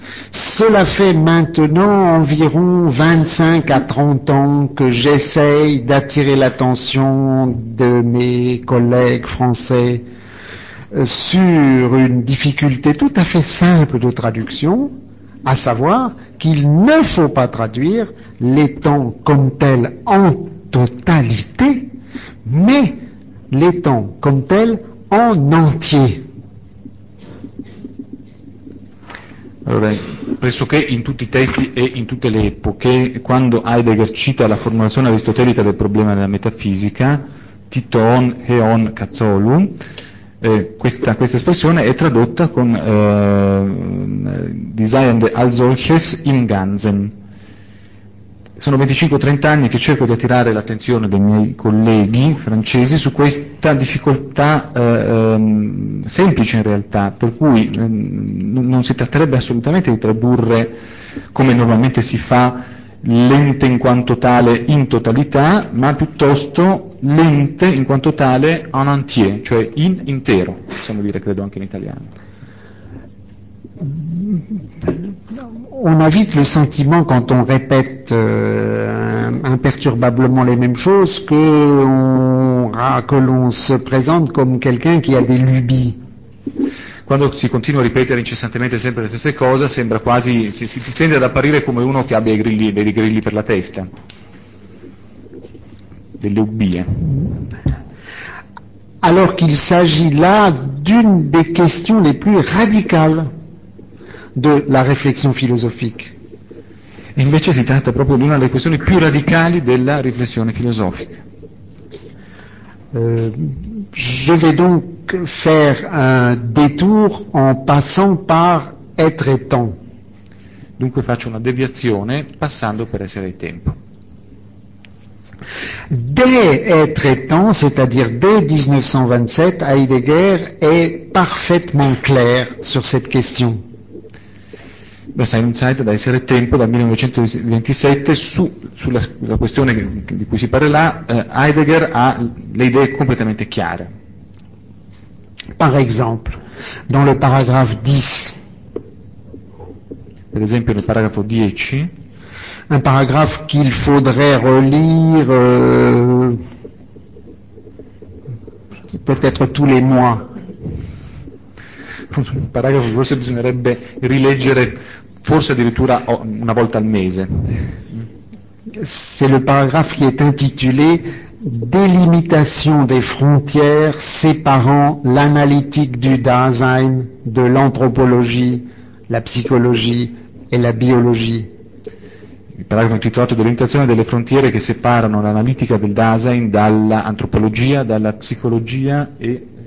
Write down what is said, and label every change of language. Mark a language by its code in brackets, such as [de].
[fr] Cela fait maintenant environ 25 à 30 ans que j'essaye d'attirer l'attention de mes collègues français sur une difficulté tout à fait simple de traduction, à savoir qu'il ne faut pas traduire les temps comme tels en totalité, mais les temps comme tels en entier. [it] Allora, pressoché in tutti i testi e in tutte le epoche, quando Heidegger cita la formulazione aristotelica del problema della metafisica, [el] Tito on heon katholou, [it] questa espressione è tradotta con [de] Design als solches im Ganzen. [it] Sono 25-30 anni che cerco di attirare l'attenzione dei miei colleghi francesi su questa difficoltà semplice in realtà, per cui non si tratterebbe assolutamente di tradurre, come normalmente si fa, l'ente in quanto tale in totalità, ma piuttosto l'ente in quanto tale en entier, cioè in intero, possiamo dire, credo, anche in italiano. [fr] On a vite le sentiment, quand on répète imperturbablement les mêmes choses, que l'on se présente comme quelqu'un qui a des lubies. [it] Quando si continua a ripetere incessantemente sempre le stesse cose, sembra quasi, si tende ad apparire come uno che abbia dei grilli per la testa, delle ubbie. [fr] Alors qu'il s'agit là d'une des questions les plus radicales de la réflexion philosophique. [it] Et invece si tratta proprio di una delle questioni più radicali della riflessione filosofica. [fr] Je vais donc faire un détour en passant par être et temps. [it] Dunque faccio una deviazione passando per essere e tempo. [fr] Dès être et temps, c'est-à-dire dès 1927, Heidegger est parfaitement clair sur cette question. [it] Da Seinzeit, da essere tempo, dal 1927, sulla questione di cui si parla là, Heidegger ha le idee completamente chiare. [fr] Par exemple, dans le paragraphe 10. [it] Per esempio nel paragrafo 10. [fr] Un paragraphe qu'il faudrait relire peut-être tous les mois. [it] Un paragrafo forse bisognerebbe rileggere forse addirittura una volta al mese. [fr] C'est le paragraphe qui est intitulé délimitation des frontières séparant l'analytique du Dasein de l'anthropologie, la psychologie et la biologie. [it] Il paragrafo intitolato delimitazione delle frontiere che separano l'analitica del Dasein dall'antropologia, dalla psicologia e